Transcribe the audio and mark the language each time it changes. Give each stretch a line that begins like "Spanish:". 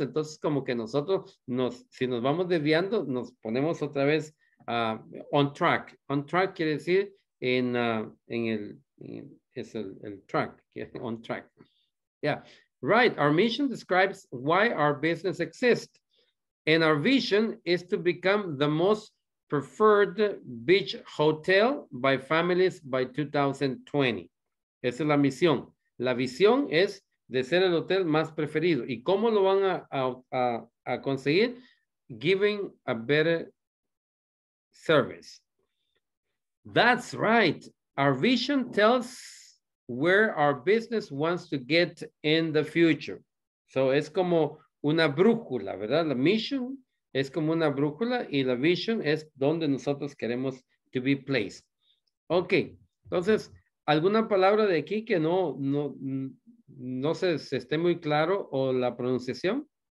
Spanish: Entonces, como que nosotros, si nos vamos desviando, nos ponemos otra vez
English: on track. On track
Spanish: quiere decir en el track, on track.
English: Yeah, right. Our mission describes why our business exists. And our vision is to become the most preferred beach hotel by families by 2020.
Spanish: Esa es la misión. La visión es de ser el hotel más preferido. ¿Y cómo lo van a conseguir?
English: Giving a better service. That's right. Our vision tells where our business wants to get in the future.
Spanish: So es como una brújula, ¿verdad? La mission es como una brújula y la vision es donde nosotros queremos
English: to be placed.
Spanish: Ok, entonces, ¿alguna palabra de aquí que no sé si esté muy claro o la pronunciación?